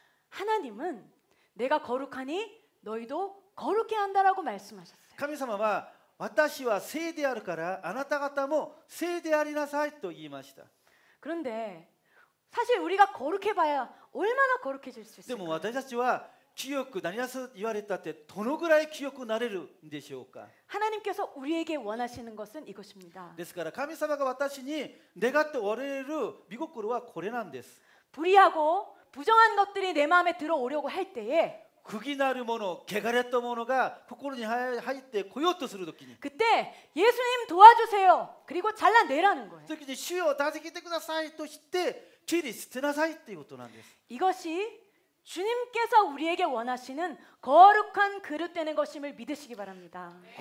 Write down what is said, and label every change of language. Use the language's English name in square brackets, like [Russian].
[Korean] 하나님은 내가 거룩하니 너희도 거룩해 한다라고 말씀하셨어요. [Japanese] 神様は 私は 聖であるから あなた方も 聖でありなさいと言いました. [Korean] 그런데 사실 우리가 거룩해 봐야 얼마나 거룩해질 수 있을까요? [Japanese] でも私たちは 清くなりなさいと言われたってどのぐらい清くなれるんでしょうか? [Korean] 하나님께서 우리에게 원하시는 것은 이것입니다. [Japanese] ですから神様が私に願っておられる御心はこれなんです. [Korean] 불의하고 부정한 것들이 내 마음에 들어오려고 할 때에 [Japanese] 흑이なるもの、汚れたものが心に入ってこようとするときに [Korean] 그때 예수님 도와주세요. 그리고 잘라내라는 거예요. 그때 주여 [Japanese] 助けてくださいとして切り捨てなさいっていうことなんです. [Korean] 이것이 주님께서 우리에게 원하시는 거룩한 그릇되는 것임을 믿으시기 바랍니다.